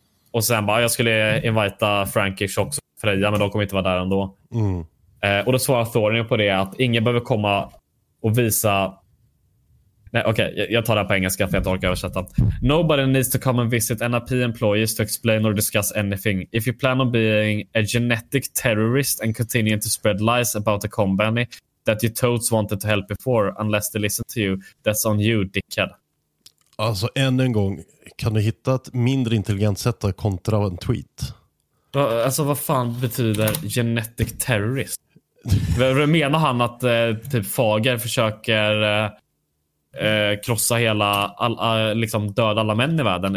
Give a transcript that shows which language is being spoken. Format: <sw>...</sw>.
<sv>Och sen bara, jag skulle invita Frankish och Freja, men de kommer inte vara där ändå. Mm. Och då svarar Thorin på det att ingen behöver komma och visa. Nej, okej, okay, jag tar det här på engelska för jag inte orkar översätta.</sv> <en>Nobody needs to come and visit NIP employees to explain or discuss anything. If you plan on being a genetic terrorist and continuing to spread lies about a company that you totes wanted to help before, unless they listen to you, that's on you, dickhead.</en> <sv>Alltså, än en gång, kan du hitta ett mindre intelligent sätt att kontra en tweet? Alltså, vad fan betyder genetic terrorist? Menar han att typ Fager försöker krossa hela liksom döda alla män i världen?</sv>